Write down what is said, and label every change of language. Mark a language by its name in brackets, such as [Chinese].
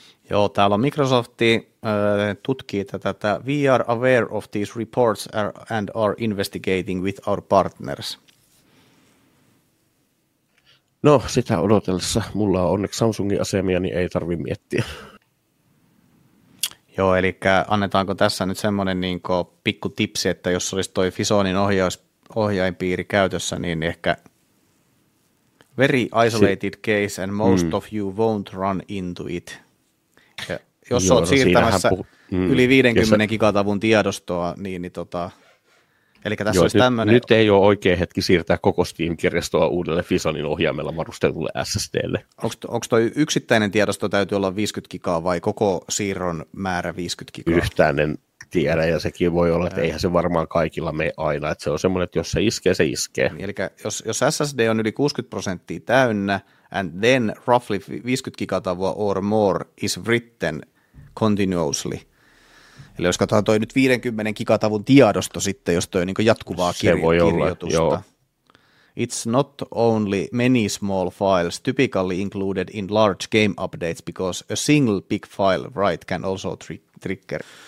[Finnish] Joo, täällä on Microsoft tutkii tätä. [English] We are aware of these reports and are investigating with our partners. [Finnish] No, sitä odotellessa. Mulla on onneksi Samsungin asemia, niin ei tarvitse miettiä. Joo, eli annetaanko tässä nyt semmoinen niin kuin pikku tipsi, että jos olisi toi Fisonin ohjainpiiri käytössä, niin ehkä [English] very isolated case and most of you won't run into it. [Finnish] Ja jos olet siirtämässä yli 50 gigatavun tiedostoa, eli tässä olisi tämmöinen. Nyt ei ole oikea hetki siirtää koko Steam-kirjastoa uudelle Fisonin ohjaimella varustetulle SSD:lle. Onko tuo yksittäinen tiedosto täytyy olla 50 gigaa vai koko siirron määrä 50 gigaa? Yhtään en tiedä, ja sekin voi olla, että eihän se varmaan kaikilla mene aina. Että se on semmoinen, että jos se iskee, se iskee. Eli jos SSD on yli 60% täynnä, [English] and then roughly 50 gigatavua or more is written continuously. [Finnish] Eli jos katsotaan toi nyt 50 gigatavun tiedosto sitten, jos toi on niin jatkuvaa kirjoitusta. Joo. [English] It's not only many small files typically included in large game updates because a single big file write can also trigger.